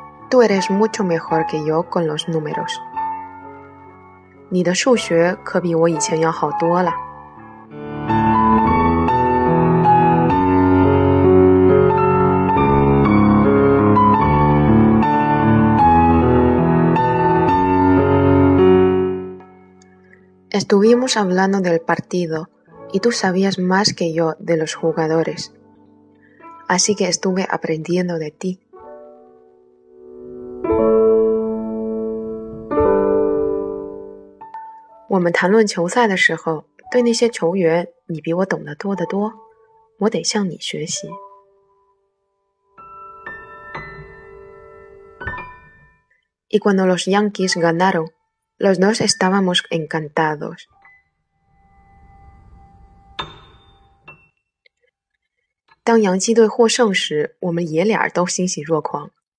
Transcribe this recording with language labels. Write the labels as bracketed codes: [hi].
[es] Tú eres mucho mejor que yo con los números. [zh] 你的数学可比我以前要好多了。 [es] Estuvimos hablando del partido y tú sabías más que yo de los jugadores, así que estuve aprendiendo de ti. [zh] 我们谈论球赛的时候，对那些球员，你比我懂得多得多，我得向你学习。 [es] Y cuando los Yankees ganaron, los dos estábamos encantados. Cuando [zh] 洋基队获胜时，我们爷俩都欣喜若狂。